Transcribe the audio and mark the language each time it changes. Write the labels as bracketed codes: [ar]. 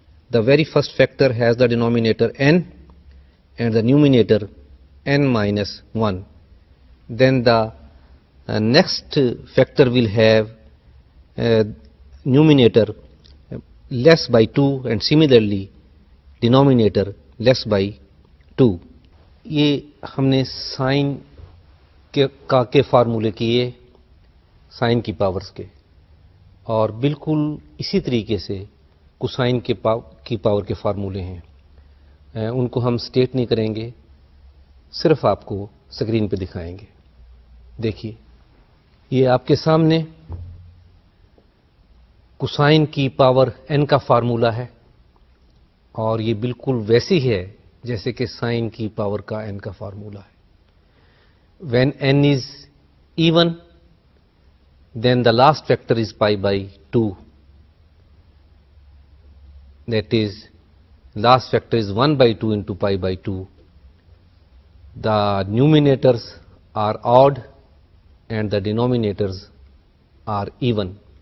[en] The very first factor has the denominator n and the numerator n minus 1. Then the next factor will have numerator less by 2 and similarly denominator less by 2. [ur] یہ ہم نے sign کے فارمولے کیے sign کی powers کے اور بالکل اسی طریقے سے کوسائن کی پاور کے فارمولے ہیں. ان کو ہم اسٹیٹ نہیں کریں گے, صرف آپ کو اسکرین پہ دکھائیں گے. دیکھیے یہ آپ کے سامنے کوسائن کی پاور n کا فارمولا ہے اور یہ بالکل ویسی ہے جیسے کہ سائن کی پاور کا n کا فارمولا ہے. [en] When n is even then the last factor is pi by 2. That is, last factor is 1 by 2 into pi by 2. The numerators are odd and the denominators are even.